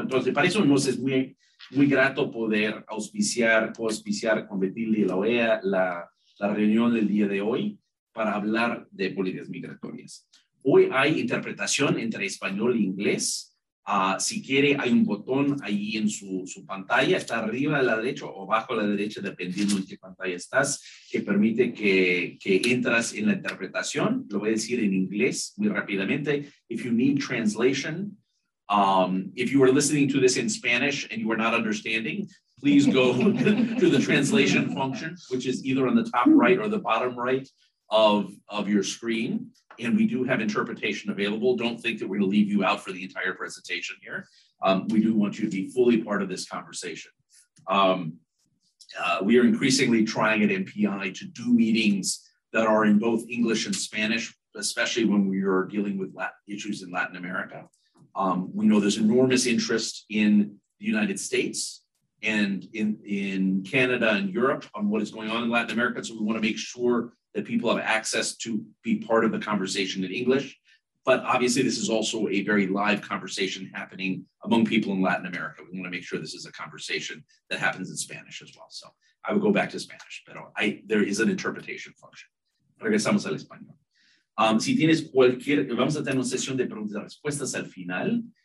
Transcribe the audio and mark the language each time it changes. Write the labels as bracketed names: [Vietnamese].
[Spanish] Entonces, para eso nos es muy, muy grato poder auspiciar, co-auspiciar con Betilde y la OEA la reunión del día de hoy para hablar de políticas migratorias. Hoy hay interpretación entre español e inglés Si quiere, hay un botón ahí en su pantalla, está arriba a la derecha o abajo a la derecha, dependiendo en qué pantalla estás, que permite que entras en la interpretación. Lo voy a decir en inglés muy rápidamente. [English] If you need translation, if you are listening to this in Spanish and you are not understanding, please go to the translation function, which is either on the top right or the bottom right of your screen. And we do have interpretation available. Don't think that we're going to leave you out for the entire presentation here. We do want you to be fully part of this conversation. We are increasingly trying at MPI to do meetings that are in both English and Spanish, especially when we are dealing with issues in Latin America. We know there's enormous interest in the United States and in Canada and Europe on what is going on in Latin America. So we want to make sure that people have access to be part of the conversation in English. But obviously this is also a very live conversation happening among people in Latin America. We want to make sure this is a conversation that happens in Spanish as well. So I will go back to Spanish, but there is an interpretation function. [Spanish] Regresamos al español. Si tienes cualquier, vamos a tener una sesión de preguntas y respuestas al final.